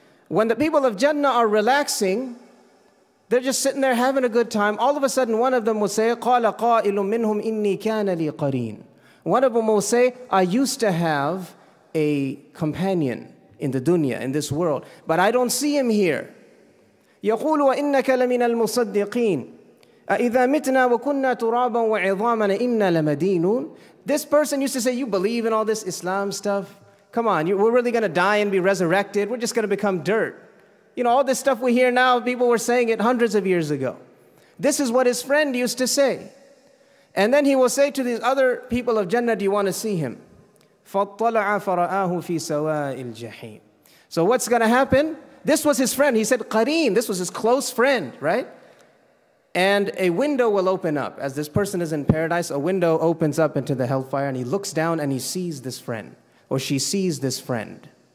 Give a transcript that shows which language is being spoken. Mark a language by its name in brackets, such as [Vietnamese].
[English] When the people of Jannah are relaxing, they're just sitting there having a good time. All of a sudden, one of them will say, [Arabic] قَالَ قَائِلٌ مِّنْهُمْ إِنِّي كَانَ لِي قَرِينَ. [English] One of them will say, I used to have a companion in the dunya, in this world, but I don't see him here. [Arabic] يقول وإنك لمن المصدقين أإذا متنا وكنا ترابا وعظاما إنا لمدينون. [English] This person used to say, you believe in all this Islam stuff? Come on, we're really going to die and be resurrected? We're just going to become dirt? You know, all this stuff we hear now, people were saying it hundreds of years ago. This is what his friend used to say. And then he will say to these other people of Jannah, do you want to see him? [Arabic] فطلع فرآه في سواء الجحيم. [English] So what's going to happen? This was his friend. He said, Qareen. This was his close friend, right? And a window will open up. As this person is in paradise, a window opens up into the hellfire, and he looks down and he sees this friend, or she sees this friend.